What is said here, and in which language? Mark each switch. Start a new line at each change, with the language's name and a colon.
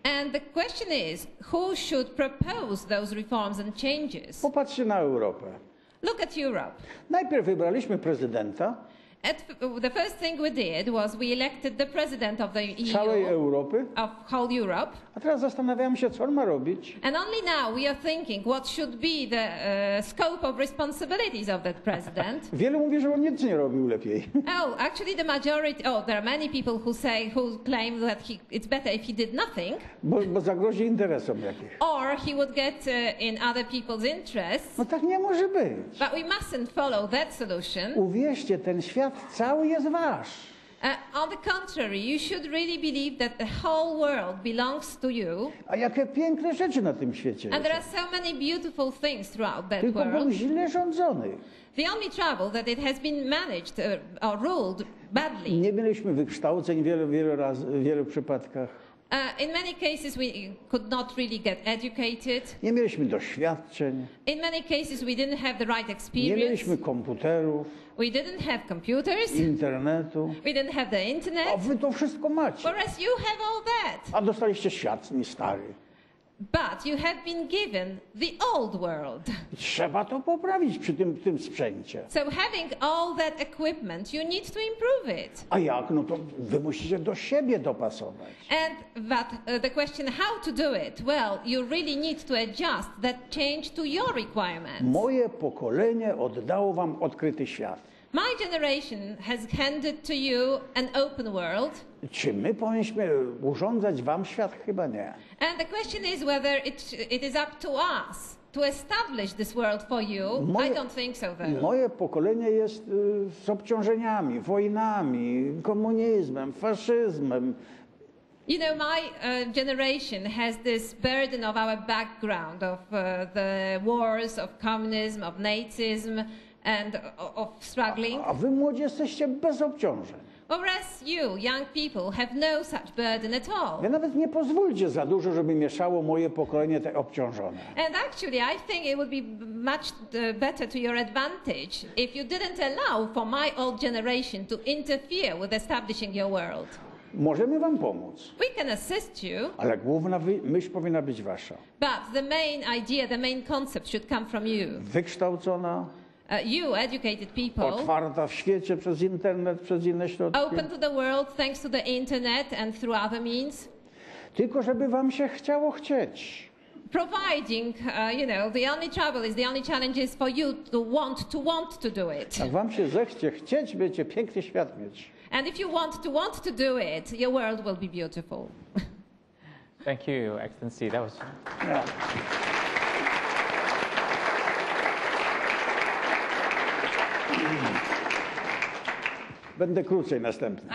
English: And the question is, who should propose those reforms and changes?
Polish: Popatrzcie na Europę.
English: Look at Europe.
Polish: Najpierw wybraliśmy prezydenta.
English: The first thing we did was we elected the president of the EU,
Polish: całej Europy,
English: of whole Europe.
Polish: A teraz zastanawiam się, co on ma robić.
English: And only now we are thinking what should be the scope of responsibilities of that president.
Polish: Wielu mówi, że on nic nie robił lepiej.
English: Oh, actually the majority, oh, there are many people who claim that it's better if he did nothing.
Polish: Bo zagrozi interesom jakich.
English: Or he would get in other people's interests.
Polish: No tak nie może być.
English: But we mustn't follow that solution.
Polish: Uwierzcie, ten świat cały jest wasz.
English: On the contrary, you should really believe that the whole world belongs to you.
Polish: A jakie piękne rzeczy na tym świecie.
English: And there are so many beautiful things throughout that
Polish: tylko
English: world.
Polish: Tylko był źle rządzony.
English: The only trouble that it has been managed or ruled badly.
Polish: Nie mieliśmy wykształceń wielu przypadkach.
English: In many cases we could not really get educated.
Polish: Nie mieliśmy doświadczeń.
English: In many cases we didn't have the right experience.
Polish: Nie mieliśmy komputerów.
English: We didn't have computers.
Polish: Internetu.
English: We didn't have the internet.
Polish: A wy to wszystko macie.
English: Whereas you have all that.
Polish: A dostaliście świat, nie stary.
English: But you have been given the old world.
Polish: Trzeba to poprawić przy tym sprzęcie.
English: So having all that equipment, you need to improve it.
Polish: A jak? No to wy musicie do siebie dopasować.
English: And but the question how to do it? Well, you really need to adjust that change to your requirements.
Polish: Moje pokolenie oddało wam odkryty świat.
English: My generation has handed to you an open world.
Polish: Czy my powinniśmy urządzać wam świat? Chyba nie.
English: And the question is whether it is up to us to establish this world for you. I don't think so though.
Polish: Moje pokolenie jest z obciążeniami, wojnami, komunizmem, faszyzmem.
English: You know, my generation has this burden of our background, of the wars, of communism, of Nazism, and of struggling.
Polish: A wy młodzi jesteście bez obciążeń.
English: Whereas you, young people, have no such burden at all.
Polish: Ja nawet nie pozwólcie za dużo, żeby mieszało moje pokolenie te obciążone.
English: And actually, I think it would be much better to your advantage if you didn't allow for my old generation to interfere with establishing your world.
Polish: Możemy wam pomóc.
English: We can assist you.
Polish: Ale główna myśl powinna być wasza.
English: But the main idea, the main concept should come from you.
Polish: Wykształcona.
English: You educated people.
Polish: Otwarta w świecie przez internet, przez inne środki.
English: Open to the world thanks to the internet and through other means.
Polish: Tylko żeby wam się chciało chcieć.
English: Providing, you know, the only trouble is, the only challenge is for you to want to do it.
Polish: Jak wam się zechce chcieć, będzie piękny świat mieć.
English: And if you want to do it, your world will be beautiful. Thank you, Excellency. That was.
Polish: Będę krócej następny.